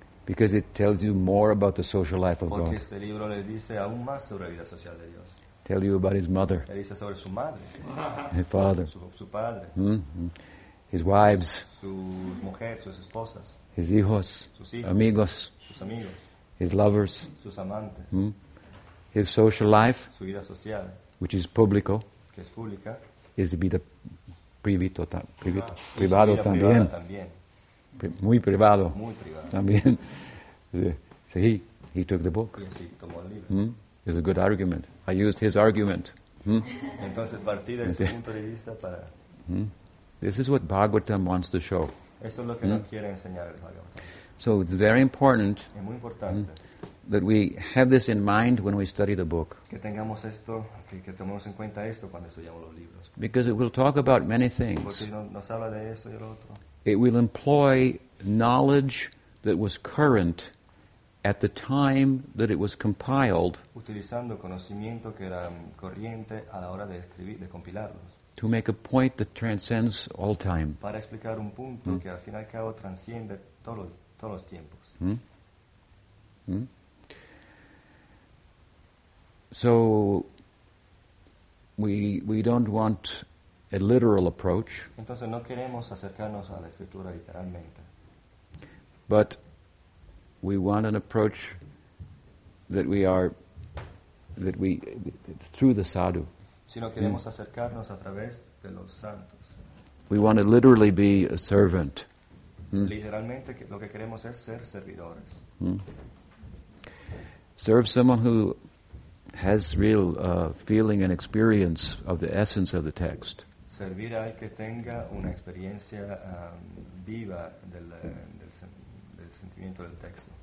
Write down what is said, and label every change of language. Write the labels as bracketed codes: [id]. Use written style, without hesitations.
[en] Because it tells you more about the social life of [es] Porque Este libro le dice aún más sobre la vida social de Dios. [en] Tell you about his mother. [es] Sobre su madre. [en] His father. [es] Su padre. [en] His wives. [es] Sus mujeres, sus esposas. [en] His [es] hijos. Sus hijos. Amigos. Sus amigos. [en] His lovers. [es] Sus amantes. [en] His social life. [es] Su vida social. [en] Which is [es] publico. Que es pública. [en] Is to be the [es] privito, privito, privado también. Muy privado. Muy privado. También. [en] So he took the book. [es] Y así tomó el libro. [en] It's a good argument. I used his argument. [es] Entonces, partí de su punto de vista para... [en] This is what Bhagavatam wants to show. [es] Esto es lo que nos quiere enseñar el Bhagavatam. [en] So it's very important, [es] es muy importante, [en] that we have this in mind when we study the book. [es] Que tengamos esto, que tomemos en cuenta esto cuando estudiamos los libros. [en] Because it will talk about many things. [es] Porque nos habla de esto y el otro. [en] It will employ knowledge that was current at the time that it was compiled, [es] utilizando conocimiento que era corriente a la hora de escribir, de compilarlos, [en] to make a point that transcends all time, [es] para explicar un punto que al fin y al cabo transciende todos los tiempos. [en] So we don't want a literal approach. [es] Entonces no queremos acercarnos a la escritura literalmente, [en] but we want an approach that we are, that we, through the sadhu. [es] Sino queremos acercarnos a través de los santos. [en] We want to literally be a servant. [es] Literalmente, lo que queremos es ser servidores. [en] Serve someone who has real feeling and experience of the essence of the text. [es] Servir al que tenga una experiencia viva del sentimiento del texto.